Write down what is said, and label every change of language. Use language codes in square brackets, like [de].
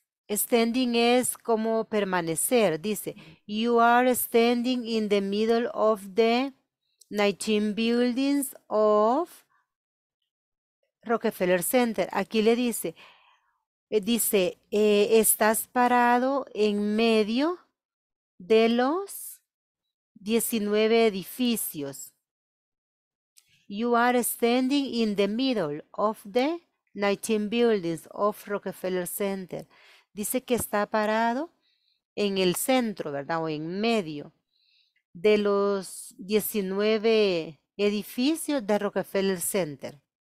[en] Standing [es] es como permanecer, dice. [en] You are standing in the middle of the 19 buildings of Rockefeller Center. [es] Aquí le dice, estás parado en medio de los 19 edificios. [en] You are standing in the middle of the 19 buildings of Rockefeller Center. [es] Dice que está parado en el centro, ¿verdad? O en medio de los 19 edificios de Rockefeller Center.